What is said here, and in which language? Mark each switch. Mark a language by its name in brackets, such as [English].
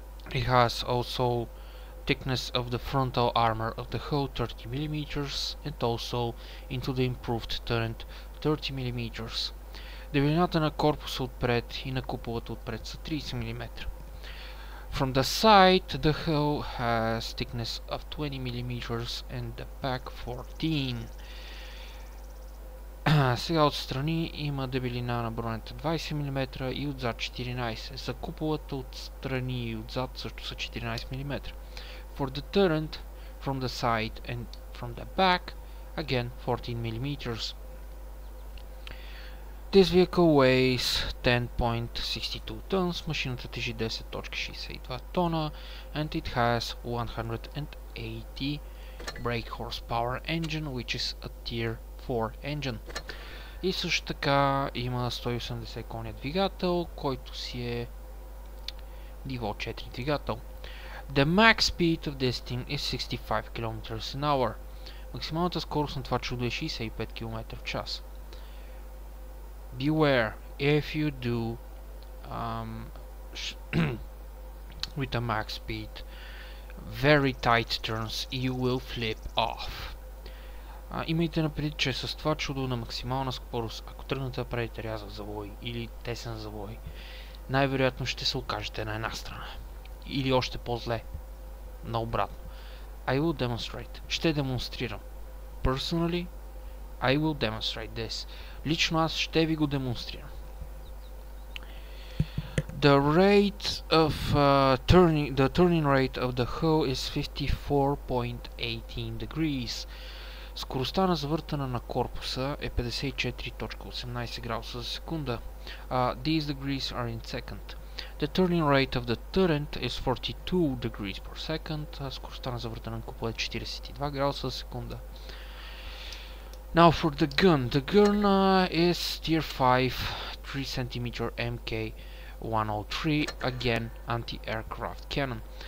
[English] It has also thickness of the frontal armor of the hull 30 mm, and also into the improved turret 30 mm. [Bulgarian] Дебелината на корпуса отпред и на куполата отпред са 30 mm. [English] From the side, the hull has thickness of 20 mm and the back 14. [Bulgarian] Сега отстрани има дебелина на бронята 20 мм и отзад 14. За куполата отстрани и отзад също са 14 мм. [English] For the turret, from the side and from the back, again 14 mm. This vehicle weighs 10.62 tons, [Bulgarian] машината тежи 10.62 тона, [English] and it has 180 brake horsepower engine, which is a tier 4 engine. [Bulgarian] И също така има 180 коня двигател, който си е ниво 4 двигател. [English] The max speed of this thing is 65 km an hour. [Bulgarian] Максималната скорост на това чудо е 65 км в час. [English] Beware, if you do with a max speed very tight turns, you will flip off. [Bulgarian] Имайте напред, че с това чудо на максимална скорост, ако тръгнете да правите рязък завой или тесен завой, най-вероятно ще се окажете на една страна. Или още по-зле. Наобратно. [English] I will demonstrate. [Bulgarian] Ще демонстрирам. [English] Personally, I will demonstrate this. [Bulgarian] Лично аз ще ви го демонстрирам. [English] The rate of the turning rate of the hull is 54.18 degrees. [Bulgarian] Скоростта на завъртане на корпуса е 54.18 градуса за секунда. [English] These degrees are in second. The turning rate of the turret is 42 degrees per second. [Bulgarian] Скоростта на завъртане на купола е 42 градуса за секунда. [English] Now for the gun. The gun is tier 5, 3 cm MK-103, again anti-aircraft cannon.